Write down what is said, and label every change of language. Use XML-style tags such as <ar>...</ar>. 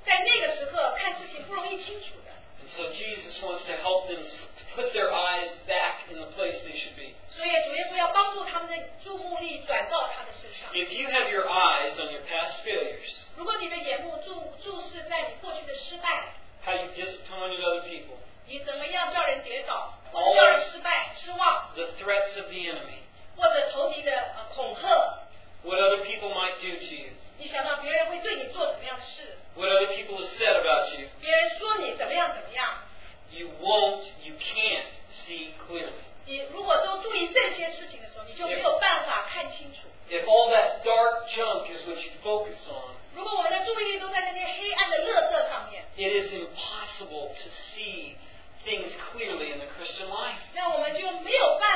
<en>And so Jesus wants to help them put their eyes back in the place they should be. If you have your eyes on your past failures, how you disappointed other people,</en> <zh>你怎么样叫人跌倒，或者叫人失败、失望？</zh> <en>The threats of the enemy.</en> <zh>或者仇敌的恐吓。</zh> <en>What other people might do to you.</en> <zh>你想到别人会对你做什么样的事。</zh> <en>What other people have said about you.</en> <zh>别人说你怎么样怎么样。</zh> <en>You won't, you can't see clearly.</en> <zh>你如果都注意这些事情的时候，你就没有办法看清楚。</zh> <en>If all that dark junk is what you focus on, it is impossible to see things clearly in the Christian life.</en>